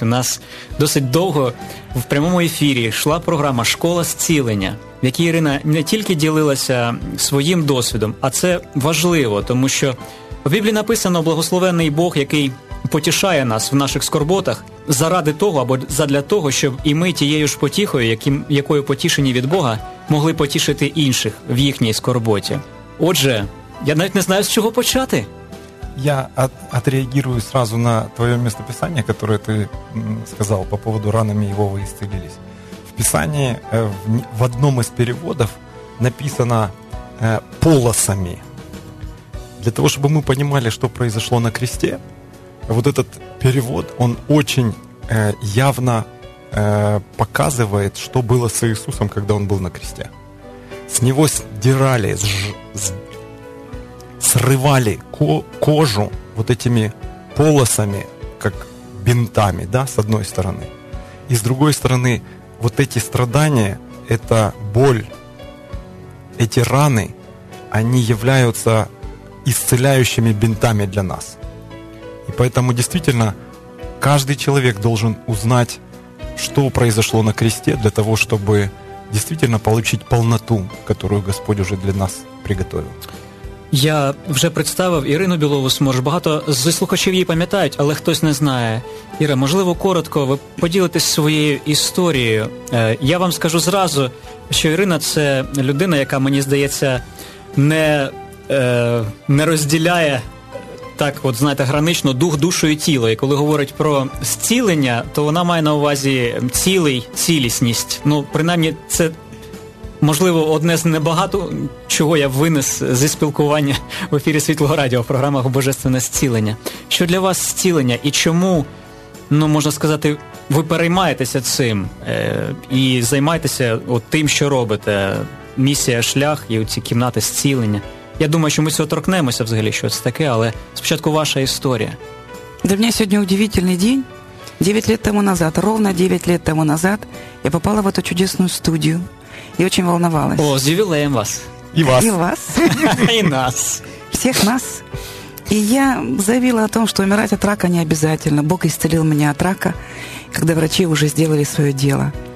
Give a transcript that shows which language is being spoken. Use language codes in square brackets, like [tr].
[uk] У нас досить довго в прямому ефірі йшла програма «Школа зцілення», в якій Ірина не тільки ділилася своїм досвідом, а це важливо, тому що в Біблії написано «Благословений Бог, який потішає нас в наших скорботах заради того, або задля того, щоб і ми тією ж потіхою, якою потішені від Бога, могли потішити інших в їхній скорботі». Отже, я навіть не знаю, з чого почати. [ru] Я отреагирую сразу на твое местописание, которое ты сказал по поводу ранами его вы исцелились. В Писании в одном из переводов написано «полосами». Для того, чтобы мы понимали, что произошло на кресте, вот этот перевод, он очень явно показывает, что было с Иисусом, когда он был на кресте. С него сдирали, срывали кожу вот этими полосами, как бинтами, да, с одной стороны. И с другой стороны, вот эти страдания, эта боль, эти раны, они являются исцеляющими бинтами для нас. И поэтому действительно каждый человек должен узнать, что произошло на кресте, для того, чтобы действительно получить полноту, которую Господь уже для нас приготовил. [uk] Я вже представив Ірину Білову-Сморж. Багато зі слухачів її пам'ятають, але хтось не знає. Іра, можливо, коротко ви поділитесь своєю історією. Я вам скажу зразу, що Ірина – це людина, яка, мені здається, не розділяє так, от, знаєте, гранично дух, душу і тіло. І коли говорить про зцілення, то вона має на увазі цілісність. Ну, принаймні, це, можливо, одне з небагато чого я винес зі спілкування в ефірі Світлого радіо в програмах «Божественне зцілення». Що для вас зцілення і чому, ну, можна сказати, ви переймаєтеся цим і займаєтеся от тим, що робите, місія, шлях і ці кімнати зцілення? Я думаю, що ми цього торкнемося взагалі, що це таке, але спочатку ваша історія. Для мене сьогодні удивительний день. [ru] 9 лет тому назад, я попала в эту чудесную студию и очень волновалась. О, с юбилеем вас. И вас. И вас. И нас. Всех нас. И я заявила о том, что умирать от рака не обязательно. Бог исцелил меня от рака, когда врачи уже сделали свое дело.